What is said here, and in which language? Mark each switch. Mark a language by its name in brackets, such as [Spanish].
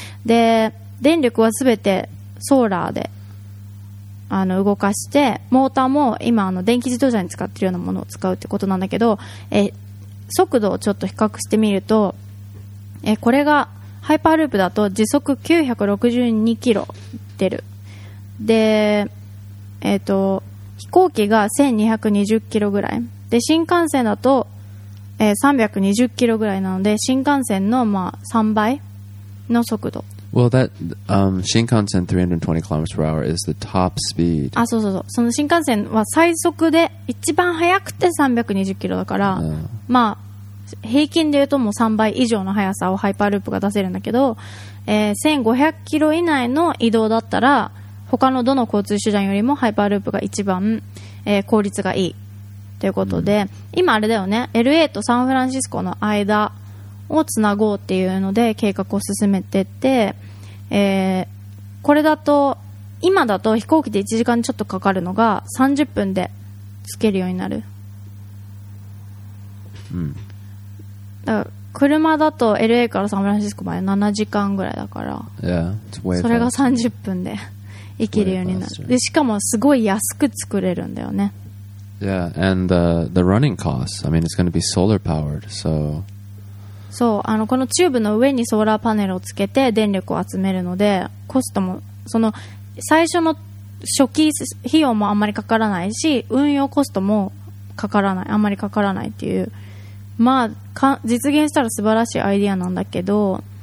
[Japanese] で、電力はすべてソーラーで動かして、モーターも今電気自動車に使ってるようなものを使うってことなんだけど、速度をちょっと比較してみると、これがハイパーループだと時速962キロ出る。で、飛行機が1220キロぐらいで、新幹線だと、320キロぐらいなので、新幹線のまあ3倍の速度。 [English] Well, that Shinkansen 320 kilometers per hour is the top speed. [Japanese] あ、そうそうそう。その Shinkansen は最速で一番速くて320キロだから、まあ平均で言うともう3倍以上の速さをハイパーループが出せるんだけど、1500キロ以内の移動だったら、他のどの交通手段よりもハイパーループが一番、効率がいいということで、今あれだよね、LA とサンフランシスコの間をつなごうっていうので計画を進めてて、これだと今だと飛行機で1時間ちょっとかかるのが30分でつけるようになる。だから車だと LA からサンフランシスコまで7時間ぐらいだから、それが30分で行けるようになる。でしかもすごい安く作れるんだよね。 [English] Yeah, and the running costs, I mean it's going to be solar powered, so [Japanese] そう、このチューブの上にソーラーパネルをつけて電力を集めるので、コストもその最初の初期費用もあんまりかからないし、運用コストもかからない、あんまりかからないっていう、まあ実現したら素晴らしいアイデアなんだけど、